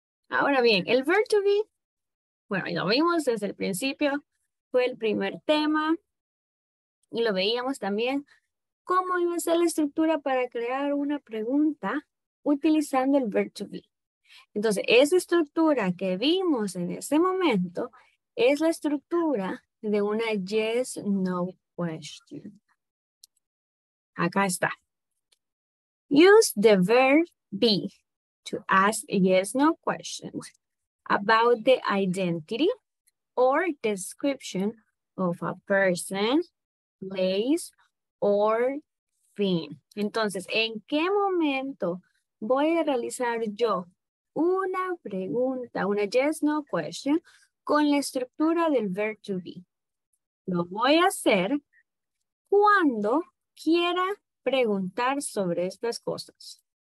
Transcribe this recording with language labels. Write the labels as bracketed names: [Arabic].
[Spanish] Ahora bien, el verb to be, bueno, lo vimos desde el principio, fue el primer tema, y lo veíamos también, cómo iba a ser la estructura para crear una pregunta utilizando el verb to be. Entonces, esa estructura que vimos en ese momento es la estructura de una yes, no question. Acá está. [English] Use the verb be to ask yes, no questions about the identity or description of a person, place, or thing. [Spanish] Entonces, ¿en qué momento voy a realizar yo una pregunta, una yes, no question, con la estructura del verb to be? Lo voy a hacer cuando quiera preguntar sobre estas cosas.